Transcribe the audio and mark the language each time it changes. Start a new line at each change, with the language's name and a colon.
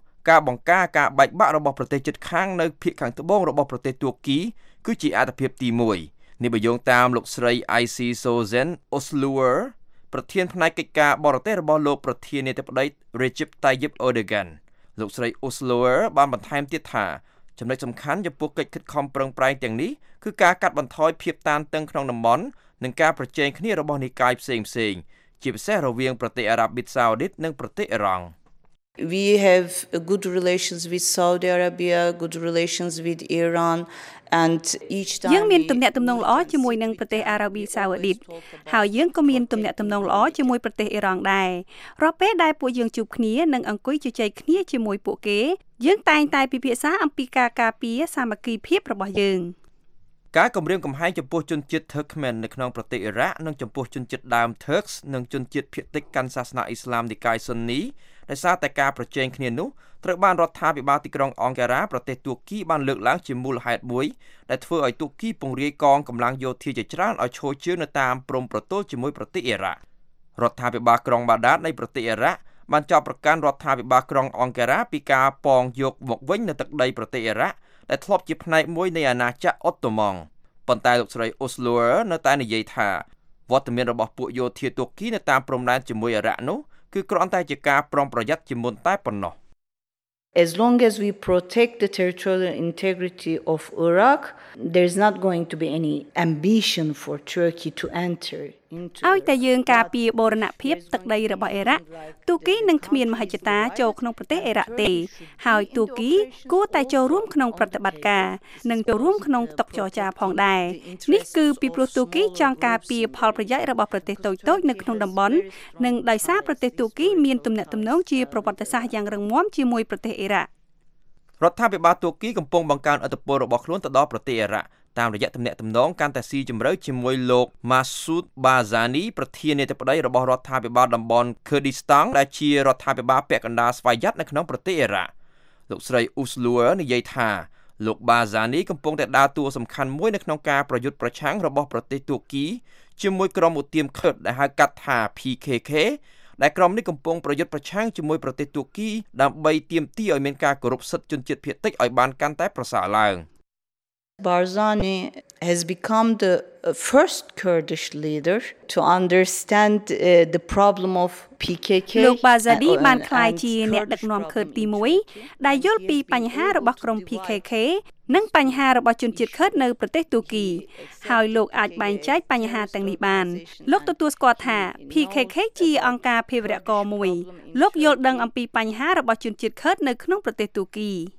Khmer: ការបង្ការការបែកបាក់របស់ប្រទេសជិតខាងនៅភាគខាងត្បូងរបស់ប្រទេសទួរគីគឺជាអាទិភាពទី1នេះបយងតាមលោកស្រី IC Sozen Osluer ប្រធានផ្នែកកិច្ចការបរទេសរបស់លោកប្រធានាធិបតី Recep Tayyip Erdogan លោកស្រី Osluer បានបន្ថែមទៀតថាចំណុចសំខាន់ចំពោះកិច្ចខិតខំប្រឹងប្រែងទាំងនេះគឺការកាត់បន្ថយភាពតានតឹងក្នុងតំបន់និងការប្រជែងគ្នារបស់និកាយផ្សេងៗជាពិសេសរវាងប្រទេសអារ៉ាប៊ីសាអូឌីតនិងប្រទេសអ៊ីរ៉ង់
English: We have a good relations with Saudi Arabia, good relations with Iran and each time
Khmer: យើងមានទំនាក់ទំនងល្អជាមួយនឹងប្រទេសអារ៉ាប៊ីសាអូឌីតហើយយើងក៏មានទំនាក់ទំនងល្អជាមួយប្រទេសអ៊ីរ៉ង់ដែររាល់ពេលដែលពួកយើងជួបគ្នានិងអង្គុយជជែកគ្នាជាមួយពួកគេយើងតែងតែពិភាក្សាអំពីការការពារសាមគ្គីភាពរបស់យើង ការគម្រាមកំហែងចំពោះជនជាតិ Turkmen នៅក្នុងប្រទេសអ៊ីរ៉ាក់និងចំពោះជនជាតិដើម Turks និងជនជាតិភាគតិចកាន់សាសនាអ៊ីស្លាមនិកាយ Sunni ដោយសារតែការប្រជែងគ្នានោះត្រូវបានរដ្ឋាភិបាលទីក្រុងអង្ការ៉ាប្រទេសទួរគីបានលើកឡើងជាមូលហេតុមួយដែលធ្វើឲ្យទួរគីពង្រាយកងកម្លាំងយោធាជាច្រើនឲ្យឈរជើងនៅតាមព្រំប្រទល់ជាមួយប្រទេសអ៊ីរ៉ាក់រដ្ឋាភិបាលក្រុងបាដាតនៃប្រទេសអ៊ីរ៉ាក់ បានចោទប្រកាន់រដ្ឋាភិបាលក្រុងអង្ការ៉ាពីការប៉ងយកមកវិញនៅទឹកដីប្រទេសអ៊ីរ៉ាក់ដែលធ្លាប់ជាផ្នែកមួយនៃអាណាចក្រអូតូម៉ង់ប៉ុន្តែលោកស្រីអូស្លូនៅតែនិយាយថាវត្តមានរបស់ពួកយោធាទួរគីនៅតាមព្រំដែនជាមួយអ៊ីរ៉ាក់នោះគឺគ្រាន់តែជាការប្រុងប្រយ័ត្នជាមុនតែប៉ុណ្ណោះ
English: As long as we protect the territorial integrity of Iraq, there's not going to be any ambition for Turkey to enter into.
Khmer: ឲ្យតែយើងការពារបូរណភាពទឹកដីរបស់អ៊ីរ៉ាក់ទូគីនឹងគ្មានមហិច្ឆតាចូលក្នុងប្រទេសអ៊ីរ៉ាក់ទេហើយទូគីគួរតែចូលរួមក្នុងប្រតិបត្តិការនិងចូលរួមក្នុងតុចរចាផងដែរនេះគឺពីព្រោះទូគីចង់ការពារផលប្រយោជន៍របស់ប្រទេសតូចៗនៅក្នុងតំបន់និងដោយសារប្រទេសទូគីមានទំនាក់ទំនងជាប្រវត្តិសាស្ត្រយ៉ាងរឹងមាំជាមួយប្រទេសអ៊ីរ៉ាក់ រដ្ឋាភិបាលទួគីកំពុងបង្កើនឥទ្ធិពលរបស់ខ្លួនទៅដល់ប្រទេសអ៊ីរ៉ាក់តាមរយៈទំនាក់ទំនងកាន់តែស៊ីជម្រៅជាមួយលោក Masoud Barzani ប្រធាននាយកប្រដីរបស់រដ្ឋាភិបាលតំបន់ Kurdistan ដែលជារដ្ឋាភិបាលពាក់កណ្ដាលស្វ័យយ័តនៅក្នុងប្រទេសអ៊ីរ៉ាក់លោកស្រី Uslu និយាយថាលោក Barzani កំពុងតែដើរតួសំខាន់មួយនៅក្នុងការប្រយុទ្ធប្រឆាំងរបស់ប្រទេសទួគីជាមួយក្រុមឧទាម Kurd ដែលហៅកាត់ថា PKK ដែលក្រុមនេះកំពុងប្រយុទ្ធប្រឆាំងជាមួយប្រទេសទួរគីដើម្បីទាមទារឲ្យមានការគោរពសិទ្ធិជនជាតិភាគតិចឲ្យបានកាន់តែប្រសើរឡើង
English: Barzani has become the first Kurdish leader to understand the problem of PKK
Khmer: លោក Barzani បានក្លាយជាអ្នកដឹកនាំខឺតទី1ដែលយល់ពីបញ្ហារបស់ក្រុម PKK និងបញ្ហារបស់ជនជាតិខឺតនៅប្រទេសទួរគីហើយលោកអាចបែងចែកបញ្ហាទាំងនេះបានលោកទទួលស្គាល់ថា PKK ជាអង្គការភេរវកម្មមួយលោកយល់ដឹងអំពីបញ្ហារបស់ជនជាតិខឺតនៅក្នុងប្រទេសទួរគី